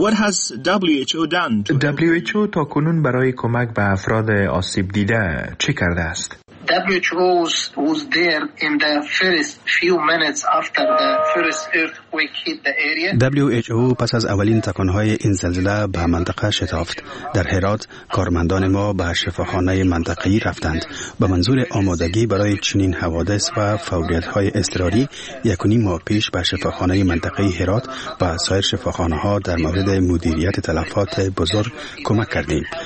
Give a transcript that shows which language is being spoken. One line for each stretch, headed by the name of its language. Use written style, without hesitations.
Persian: WHO تا کنون برای کمک به افراد آسیب دیده چه کرده است؟
English: WHO was there in the first few minutes after the first earthquake hit the area.
Persian: WHO پس از اولین تکانهای این زلزله به منطقه شتافت. در هرات کارمندان ما به شفاخانه منطقه‌ای رفتند. به منظور آمادگی برای چنین حوادث و فوریت‌های اضطراری 1.5 ماه پیش به شفاخانه منطقه‌ای هرات و سایر شفاخانه‌ها در مورد مدیریت تلفات بزرگ کمک کردیم.